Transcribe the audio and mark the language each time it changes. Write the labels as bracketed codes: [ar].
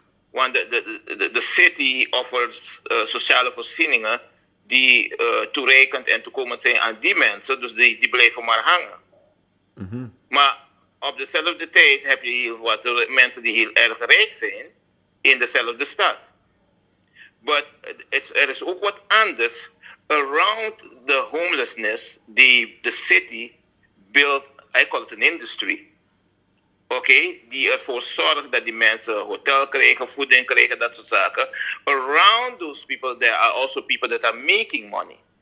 [nl] Want de [en] city offers [nl] sociale voorzieningen die toereikend en toekomend zijn aan die mensen. Dus die blijven maar hangen. Maar op dezelfde tijd heb je hier wat mensen die heel erg rijk zijn in dezelfde stad. Maar er is ook wat anders. [en] Around the homelessness, the city built, I call it an industry. [nl] Die ervoor zorgt dat die mensen hotel krijgen, voeding krijgen, dat soort zaken. [en] Around those people, there are also people that are making money.